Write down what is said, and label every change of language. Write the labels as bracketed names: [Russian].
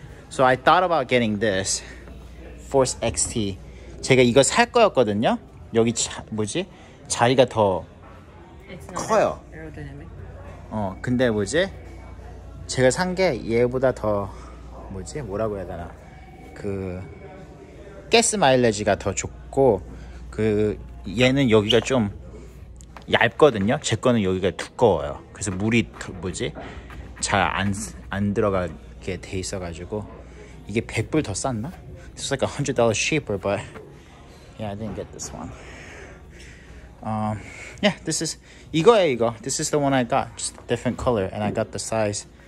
[English] So I thought about getting this Force XT. [Korean] 제가 이거 살 거였거든요. 여기 뭐지? 자리가 더 커요. [English] Aerodynamic. [Korean] 어, 근데 뭐지? 제가 산 게 얘보다 더 뭐지? 뭐라고 해야 되나? 그 가스 마일리지가 더 좋고 그 얘는 여기가 좀 얇거든요. 제 거는 여기가 두꺼워요. 그래서 물이 뭐지? 잘 안 들어가게 돼 있어가지고 이게 100불 더 쌌나? [English] It's like $100 cheaper, but yeah, I didn't get this one. Yeah, this is [Korean] 이거야 이거. [English] This is the one I got, just a different color, and I got the size.